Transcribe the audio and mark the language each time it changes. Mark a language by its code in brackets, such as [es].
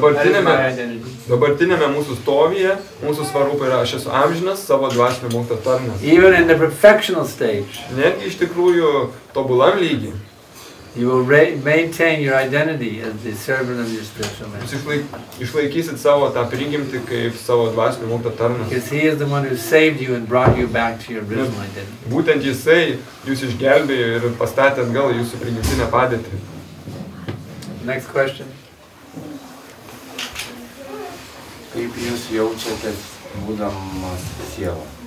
[lt] Dabartinėme mūsų stovyje, mūsų svarbu yra, aš esu amžinas, savo dvasinio mokto tarnas. [en] Even in the perfectional stage. [lt] Netgi iš tikrųjų tobulam lygį. [en] You will maintain your identity as the servant of your spiritual master. [lt] Išlaikysit savo tą prigimtį kaip savo dvasinio mokto tarnas. [en] Because he is the one who saved you and brought you back to your original identity. [lt] Būtent jisai jūs išgelbėjo ir pastatė atgal jūsų prigimtinę padėtį. [en] Next question. [lt] Kaip jūs jaučiatės būdamas siela?